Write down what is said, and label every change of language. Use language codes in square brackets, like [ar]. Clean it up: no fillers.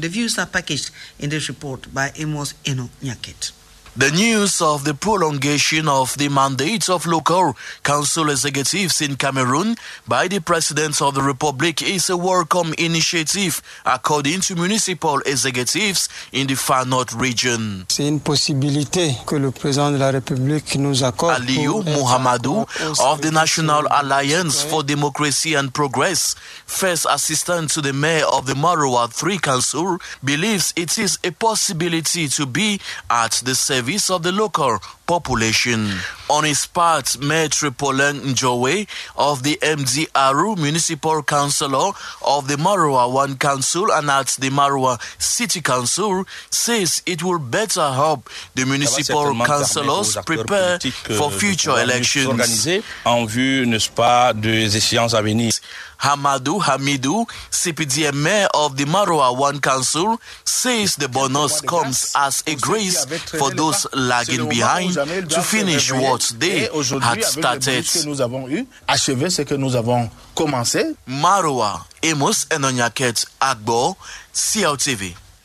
[en] The views are packaged in this report by Amos Eno Nyaket. The news of the prolongation of the mandate of local council executives in Cameroon by the President of the Republic is a welcome initiative, according to municipal executives in the Far North region. [fr] C'est une possibilité que le président de la République nous accorde. [en] Aliou Mohamadou of the National Alliance for Democracy and Progress, first assistant to the mayor of the Maroua 3 Council, believes it is a possibility to be at the same service of the local population. On his part, Mayor Tripolin Njowe of the MDRU Municipal Councillor of the Maroua 1 Council and at the Maroua City Council says it will better help the municipal councillors prepare for future elections. [fr] En vue, n'est-ce pas, des échéances à venir. [en] Hamadou Hamidou, CPDM mayor of the Maroua 1 Council, says the bonus comes as a grace for those lagging behind to finish what they had started. Maroua, Amos Enonyaket Agbo, CLTV.